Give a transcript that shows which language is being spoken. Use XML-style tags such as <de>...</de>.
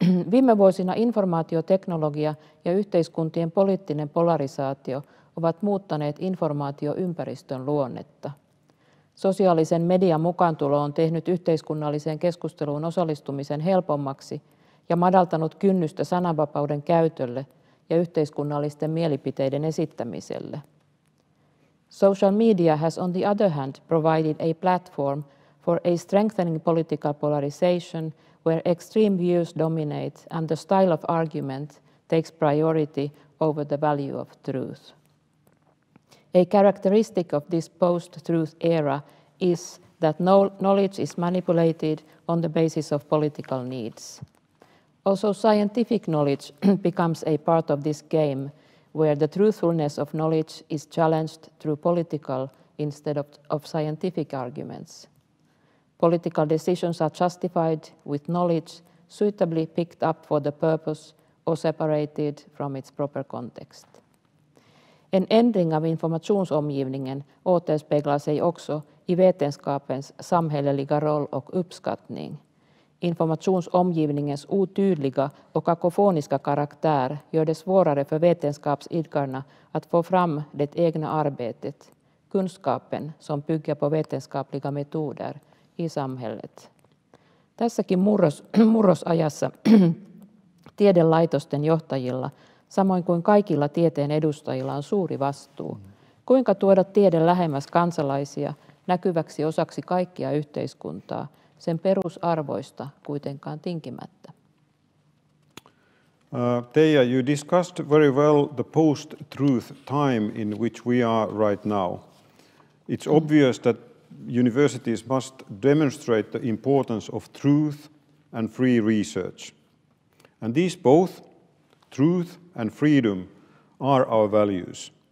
<fi>Viime vuosina informaatioteknologia ja yhteiskuntien poliittinen polarisaatio ovat muuttaneet informaatioympäristön luonnetta. Sosiaalisen median mukaantulo on tehnyt yhteiskunnalliseen keskusteluun osallistumisen helpommaksi ja madaltanut kynnystä sananvapauden käytölle ja yhteiskunnallisten mielipiteiden esittämiselle.</fi> <en>Social media has, on the other hand, provided a platform for a strengthening political polarization where extreme views dominate and the style of argument takes priority over the value of truth. A characteristic of this post-truth era is that knowledge is manipulated on the basis of political needs. Also, scientific knowledge becomes a part of this game, where the truthfulness of knowledge is challenged through political instead of scientific arguments. Political decisions are justified with knowledge suitably picked up for the purpose or separated from its proper context.</en> <sv>En ändring av informationsomgivningen återspeglar sig också i vetenskapens samhälleliga roll och uppskattning. Informationsomgivningens otydliga och kakofoniska karaktär gör det svårare för vetenskapsidkarna att få fram det egna arbetet, kunskapen som bygger på vetenskapliga metoder i samhället.</sv> <fi>Tässäkin murrosajassa tiedelaitosten johtajilla samoin kuin kaikilla tieteen edustajilla on suuri vastuu. Kuinka tuoda tiede lähemmäs kansalaisia näkyväksi osaksi kaikkia yhteiskuntaa, sen perusarvoista kuitenkaan tinkimättä?</fi> <en>Teija, you discussed very well the post-truth time in which we are right now. It's obvious that universities must demonstrate the importance of truth and free research. And these both, truth and freedom, are our values.</en>